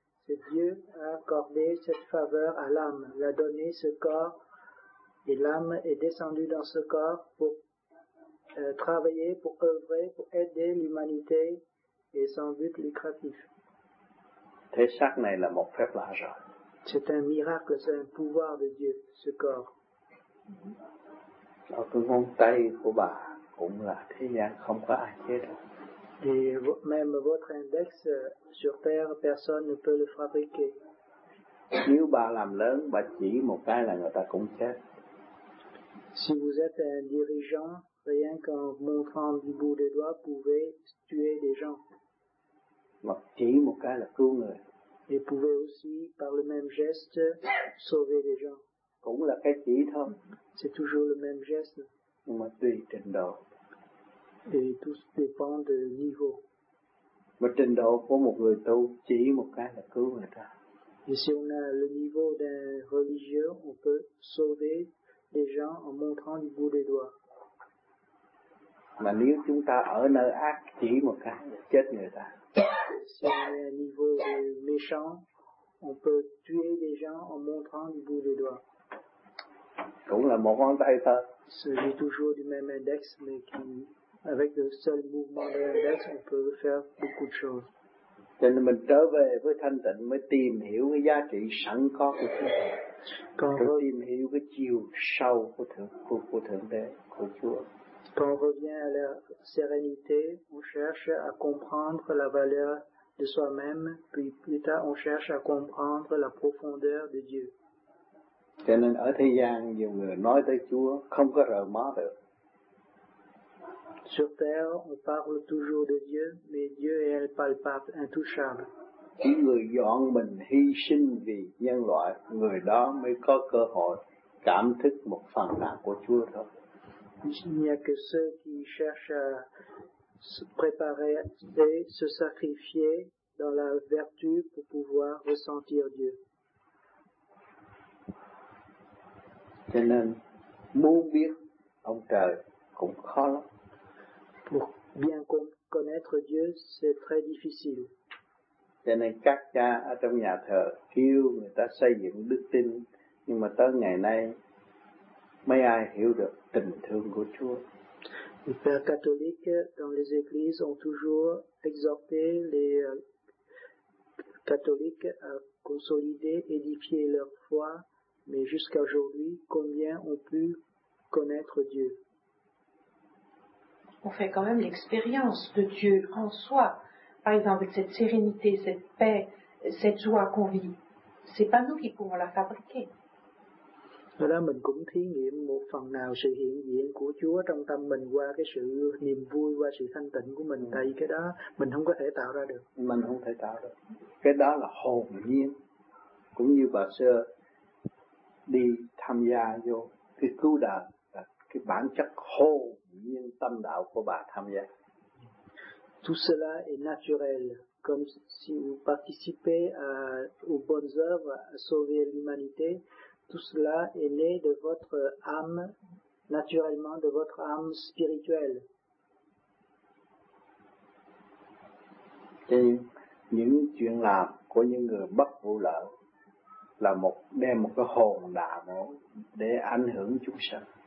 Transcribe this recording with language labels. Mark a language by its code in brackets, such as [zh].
[fr] C'est Dieu a accordé cette faveur à l'âme, l'a donné ce corps et l'âme est descendue dans ce corps pour travailler, pour œuvrer, pour aider l'humanité et son but lucratif. [vi] Thể xác này là một phép lạ rồi. [fr] C'est un miracle, c'est un pouvoir de Dieu, ce corps. [vi] Cái ngón tay của bà cũng là thế gian không có ai chế được. [fr] Et même votre index sur terre, personne ne peut le fabriquer. [vi] Nếu bà làm lớn, bà chỉ một cái là người ta cũng chết. [fr] Si vous êtes un dirigeant, rien qu'en montrant du bout des doigts, pouvez tuer des gens. [vi] Mà chỉ một cái là cứu người. [fr] Et pouvez aussi, par le même geste, sauver des gens. [vi] Cũng là cái chỉ thôi. [fr] C'est toujours le même geste. [vi] Nhưng mà tùy trình độ. [fr] Et tout dépend de niveau. [vi] Mà trình độ của một người tu chỉ một cái là cứu người ta. [fr] Et si on a le niveau d'un religieux, on peut sauver des gens en montrant du bout des doigts. [vi] Mà nếu chúng ta ở nơi ác chỉ một cái là chết người ta. [fr] Si on est à un niveau de méchant, on peut tuer des gens en montrant du bout des doigts. [vi] Cũng là một ngón tay thôi. [fr] C'est toujours du même index, mais qui, avec le seul mouvement de l'index, on peut faire beaucoup de choses. [vi] Cho nên mình trở về với thanh tịnh mới tìm hiểu cái giá trị sẵn có của chúng ta. [fr] Quand on [vi] tìm hiểu cái chiều sâu của Thượng Đế, của Chúa. [fr] Quand on revient à la sérénité, on cherche à comprendre la valeur de soi-même, puis plus tard on cherche à comprendre la profondeur de Dieu. [vi] Cho nên ở thế gian, nhiều người nói tới Chúa, không có rời mó được. [fr] Sur terre, on parle toujours de Dieu, mais Dieu est palpable, intouchable. [vi] Chỉ người dọn mình hy sinh vì nhân loại, người đó mới có cơ hội cảm thức một phần nào của Chúa thôi. [fr] Il n'y a que ceux qui cherchent à se préparer et se sacrifier dans la vertu pour pouvoir ressentir Dieu. [vi] Cho nên, muốn biết ông trời cũng khó lắm. [fr] Pour bien connaître Dieu, c'est très difficile. [vi] Cho nên các cha ở trong nhà thờ kêu người ta xây dựng đức tin, nhưng mà tới ngày nay mấy ai hiểu được tình thương của Chúa. [fr] Les pères catholiques dans les églises ont toujours exhorté les catholiques à consolider, édifier leur foi, mais jusqu'à aujourd'hui, combien ont pu connaître Dieu? On fait quand même l'expérience de Dieu en soi. Par exemple, cette sérénité, cette paix, cette joie qu'on vit, c'est pas nous qui pouvons la fabriquer. [vi] Là, mình cũng thí nghiệm một phần nào sự hiện diện của Chúa trong tâm mình qua cái sự niềm vui, qua sự thanh tịnh của mình. Tại vì cái đó mình không có thể tạo ra được. Mình không thể tạo được. Cái đó là hồn nhiên. Cũng như bà xưa đi tham gia vô cái cứu đời, cái bản chất hồn nhiên tâm đạo của bà tham gia. [fr] Tout cela est naturel, comme si vous participez aux bonnes œuvres, à sauver l'humanité. Tout cela est né de votre âme, naturellement de votre âme spirituelle. [vi] Et những chuyện làm của những người bất vụ lợi là một đem một cái hồn đạo để ảnh hưởng chúng sanh.